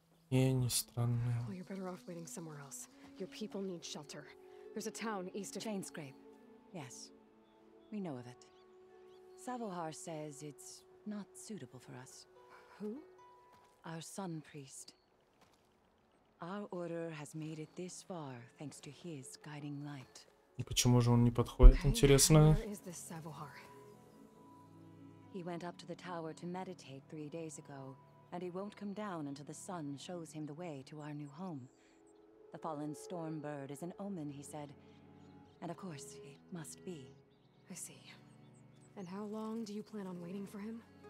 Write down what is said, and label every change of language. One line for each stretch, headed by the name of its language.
English: Well, you're better off waiting somewhere else. Your people need shelter. There's a town east of Chainscrape. Yes. We know of it. Savohar says it's not suitable for us. Who? Our Sun Priest. Our order has made it this far thanks to his guiding light.
Russian: Почему же он не подходит, интересно?
English: Where is this Savohar? He went up to the tower to meditate 3 days ago, and he won't come down until the sun shows him the way to our new home. The fallen storm bird is an omen, he said. And of course, it must be. I see. And how long do you plan on waiting for him?